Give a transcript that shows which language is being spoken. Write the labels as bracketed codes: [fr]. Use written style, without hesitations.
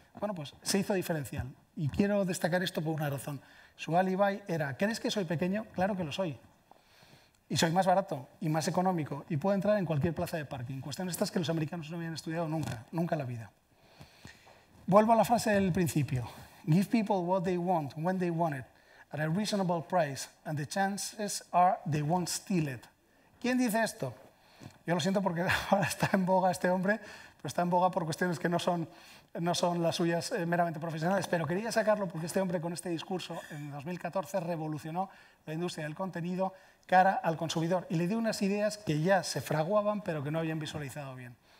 [es] Bueno, pues se hizo diferencial. Y quiero destacar esto por una razón. Su alibi era, ¿crees que soy pequeño? Claro que lo soy. Y soy más barato y más económico y puedo entrar en cualquier plaza de parking. Cuestión esta es que los americanos no habían estudiado nunca, nunca en la vida. Vuelvo a la frase del principio. [en] Give people what they want, when they want it, at a reasonable price, and the chances are they won't steal it. [es] ¿Quién dice esto? Yo lo siento porque ahora está en boga este hombre, pero está en boga por cuestiones que no son las suyas meramente profesionales, pero quería sacarlo porque este hombre con este discurso en 2014 revolucionó la industria del contenido cara al consumidor y le dio unas ideas que ya se fraguaban pero que no habían visualizado bien.